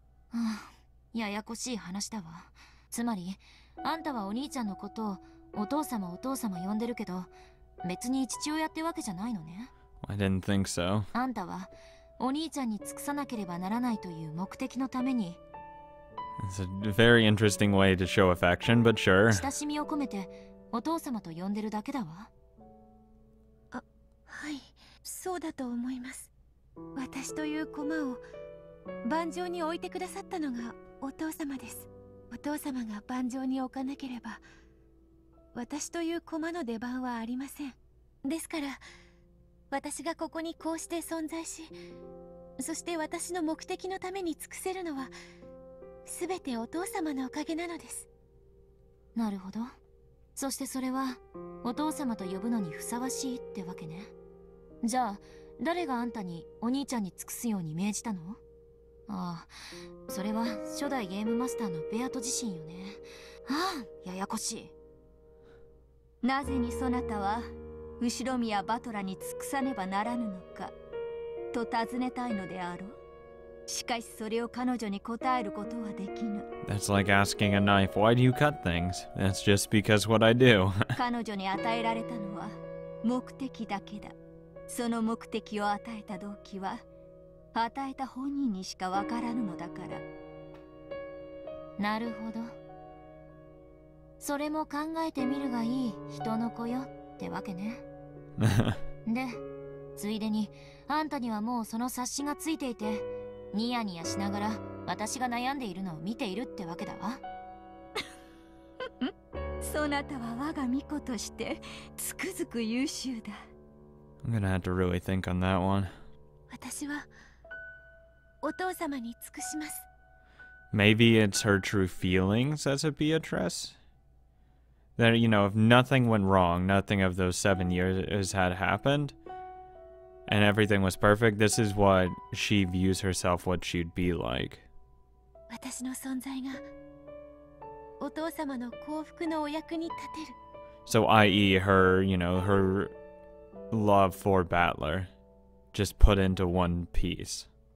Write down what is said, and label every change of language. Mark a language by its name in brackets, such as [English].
[Japanese] はあ、ややこしい話だわ。つまりあんたはお兄ちゃんのことをお父様お父様呼んでるけど別に父親ってわけじゃないのね。 [English] I didn't think so. [Japanese] あんたはお兄ちゃんに尽くさなければならないという目的のために。 [English] It's a very interesting way to show affection, but sure. [Japanese] 親しみを込めてお父様と呼んでるだけだわ。あ、はい、そうだと思います。私という駒を盤上に置いてくださったのがお父様です。お父様が盤上に置かなければ私という駒の出番はありません。ですから私がここにこうして存在し、そして私の目的のために尽くせるのは全てお父様のおかげなのです。なるほど。そしてそれはお父様と呼ぶのにふさわしいってわけね。じゃあ誰があんたにお兄ちゃんに尽くすように命じたの？ああ、それは初代ゲームマスターのベアト自身よね。ああ、ややこしい。なぜにそなたは後ろ宮バトラに尽くさねばならぬのかと尋ねたいのであろう。しかしそれを彼女に答えることはできぬ。 [English] That's like asking a knife, why do you cut things? That's just because what I do. [Japanese] 彼女に与えられたのは目的だけだ。その目的を与えた動機は与えた本人にしかわからぬのだから。なるほど、それも考えてみるがいい人の子よってわけね。で、ついでにあんたにはもうその察しがついていて、ニヤニヤしながら私が悩んでいるのを見ているってわけだわ。そなたは我が巫女としてつくづく優秀だ。 [English] I'm gonna have to really think on that one. [Japanese] 私はお父様に尽くします。 [English] Maybe it's her true feelings as a Beatrice? That, you know, if nothing went wrong, nothing of those 7 years had happened, and everything was perfect, this is what she views herself, what she'd be like. [Japanese] 私の存在がお父様の幸福のお役に立てる。 [English] So, i.e. her, you know, her love for Battler just put into one piece.